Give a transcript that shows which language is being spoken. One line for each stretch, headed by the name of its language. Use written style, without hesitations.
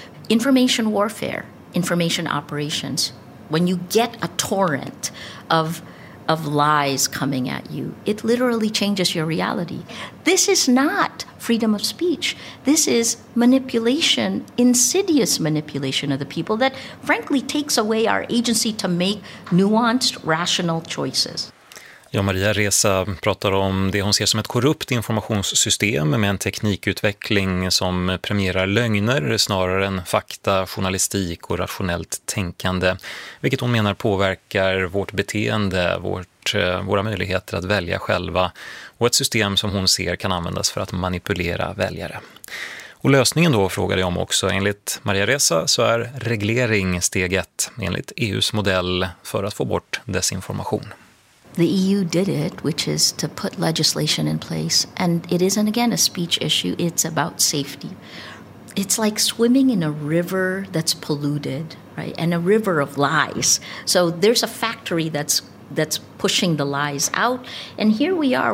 English: Information warfare, information operations, when you get a torrent of lies coming at you, it literally changes your reality. This is not freedom of speech. This is manipulation, insidious manipulation of the people that frankly takes away our agency to make nuanced, rational choices.
Swedish: Ja, Maria Reza pratar om det hon ser som ett korrupt informationssystem med en teknikutveckling som premierar lögner snarare än fakta, journalistik och rationellt tänkande. Vilket hon menar påverkar vårt beteende, våra möjligheter att välja själva och ett system som hon ser kan användas för att manipulera väljare. Och lösningen då frågade jag om också. Enligt Maria Reza så är reglering steg ett enligt EUs modell för att få bort desinformation.
English: The EU did it, which is to put legislation in place. And it isn't, again, a speech issue. It's about safety. It's like swimming in a river that's polluted, right? And a river of lies. So there's a factory that's pushing the lies out. And here we are.